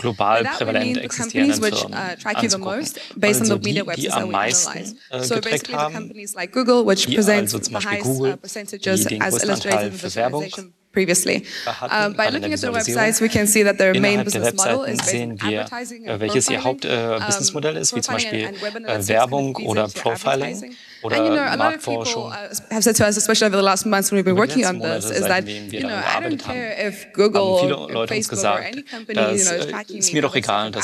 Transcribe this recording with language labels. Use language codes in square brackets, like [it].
[en] And that would mean the companies which track you the most, based on the media websites that we analyze. So basically the companies like Google, which presents the highest percentages as illustrated in the visualization. Previously. By looking at their websites, we can see that their main business model is based on advertising and profiling. [de] Ihr Hauptbusinessmodell ist, wie zum Beispiel Werbung oder Profiling. [en] And you know, a lot of people have said to us, especially over the last months when we've been working on this, is that, you know, I don't care if Google or Facebook or any company, you know, is tracking me.